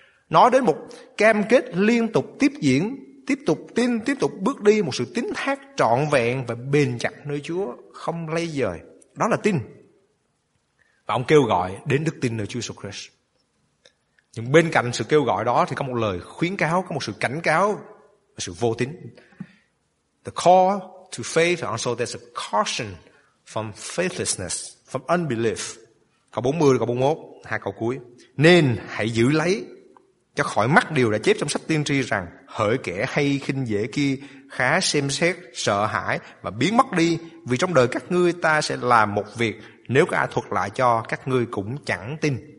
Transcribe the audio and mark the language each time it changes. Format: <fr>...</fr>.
<vi>Nói đến một cam kết liên tục tiếp diễn, tiếp tục tin, tiếp tục bước đi, một sự tín thác trọn vẹn và bền chặt nơi Chúa, không lay dời. Đó là tin. Và ông kêu gọi đến đức tin nơi Chúa Jesus Christ. Nhưng bên cạnh sự kêu gọi đó thì có một lời khuyến cáo, có một sự cảnh cáo và sự vô tín.</vi> <en>The call to faith and also there's a caution from faithlessness, from unbelief.</en> <vi>Câu 40, câu 41, hai câu cuối. Nên hãy giữ lấy cho khỏi mắt điều đã chép trong sách tiên tri rằng hỡi kẻ hay khinh dễ kia, khá xem xét, sợ hãi và biến mất đi, vì trong đời các ngươi ta sẽ làm một việc nếu có ai thuật lại cho các ngươi cũng chẳng tin.</vi>